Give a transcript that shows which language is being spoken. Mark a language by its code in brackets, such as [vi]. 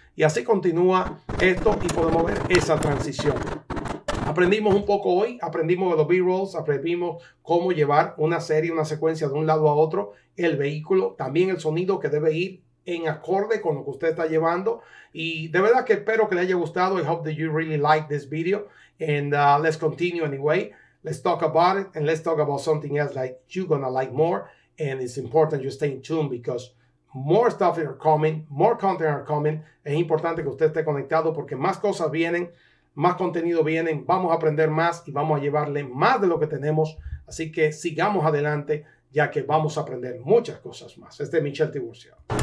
[es] Y así continúa esto y podemos ver esa transición. Aprendimos un poco hoy, aprendimos de los B-rolls, aprendimos cómo llevar una serie, una secuencia de un lado a otro, el vehículo, también el sonido que debe ir en acorde con lo que usted está llevando. Y de verdad que espero que le haya gustado. [en] I hope that you really like this video. And let's continue anyway. Let's talk about it and let's talk about something else like you're gonna like more. And it's important you stay tuned because more stuff are coming, more content are coming. [es] Es importante que usted esté conectado porque más cosas vienen. Más contenido viene, vamos a aprender más y vamos a llevarle más de lo que tenemos. Así que sigamos adelante, ya que vamos a aprender muchas cosas más. Este es Michel Tiburcio.